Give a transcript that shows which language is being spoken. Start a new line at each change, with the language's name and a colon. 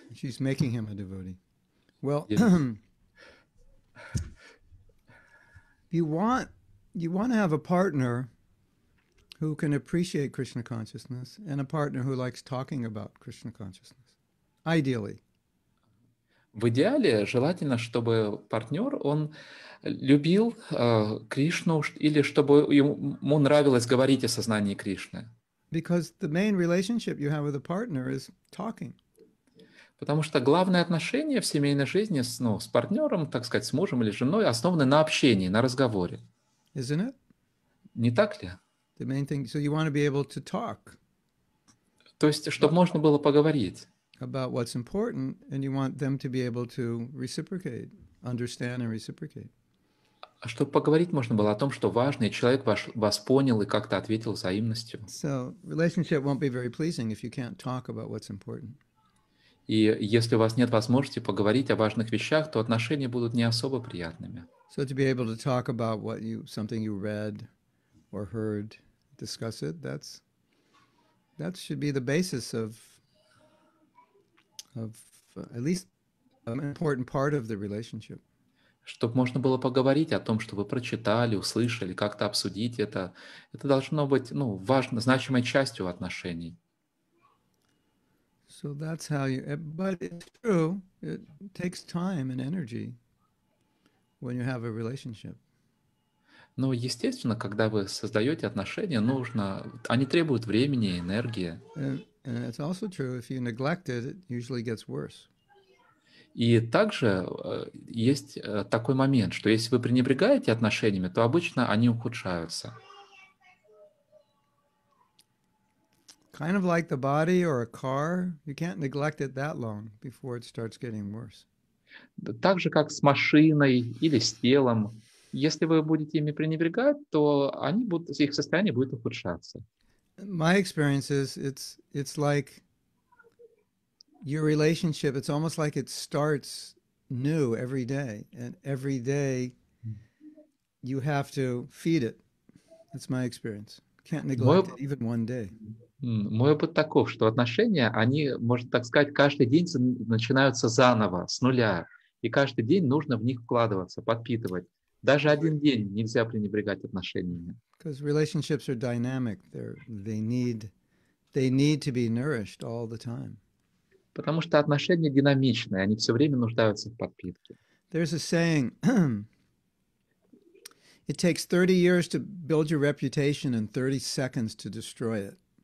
English: She's making him a devotee. Well, you want to have a partner who can appreciate Krishna consciousness and a partner who likes talking about Krishna consciousness, ideally.
Russian: В идеале желательно, чтобы партнер он любил Кришну или чтобы ему нравилось говорить о сознании Кришны.
English: Because the main relationship you have with a partner is talking.
Russian: Потому что главное отношение в семейной жизни с партнером, так сказать, с мужем или женой, основано на общении, на разговоре.
English: Isn't it?
Russian: Не так ли?
English: The main thing, so you want to be able to talk.
Russian: То есть, чтобы можно было поговорить.
English: About what's important, and you want them to be able to reciprocate, understand and reciprocate.
Russian: Чтобы поговорить можно было о том, что важно, и человек вас понял и как-то ответил взаимностью.
English: So relationship won't be very pleasing if you can't talk about what's important.
Russian: И если у вас нет возможности поговорить о важных вещах, то отношения будут не особо приятными.
English: So to be able to talk about something you read or heard, discuss it, that should be the basis of at least an important part of the relationship.
Russian: Чтобы можно было поговорить о том, что вы прочитали, услышали, как-то обсудить это должно быть, важной, значимой частью отношений.
English: So that's how you, but it's true, it takes time and energy when you have a relationship.
Russian: Но, естественно, когда вы создаете отношения, нужно, они требуют времени и энергии.
English: And it's also true, if you neglect it, it usually gets worse.
Russian: И также есть такой момент, что если вы пренебрегаете отношениями, то обычно они ухудшаются.
English: Kind of like the body or a car, you can't neglect it that long before it starts getting worse.
Russian: Так же, как с машиной или с телом. Если вы будете ими пренебрегать, то они будут, их состояние будет ухудшаться.
English: My experience is it's like your relationship, it's almost like it starts new every day. And every day you have to feed it. That's my experience. Can't neglect it even one day.
Russian: Мой опыт таков, что отношения, они, можно так сказать, каждый день начинаются заново, с нуля. И каждый день нужно в них вкладываться, подпитывать. Даже один день нельзя пренебрегать отношениями.
English: Because relationships are dynamic. They need to be nourished all the time.
Russian: Потому что отношения динамичные, они все время нуждаются в подпитке.
English: There's a saying. It takes 30 years to build your reputation and 30 seconds to destroy it.